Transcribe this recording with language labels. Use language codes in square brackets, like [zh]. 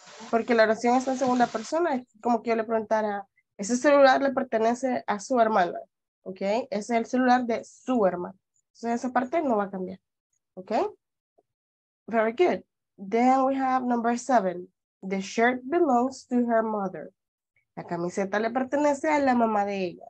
[es] Porque la oración está en segunda persona, es como que yo le preguntara, ese celular le pertenece a su hermana, ok, ese es el celular de su hermana, entonces esa parte no va a cambiar, ok. [en] Very good. Then we have number seven, the shirt belongs to her mother. [es] La camiseta le pertenece a la mamá de ella.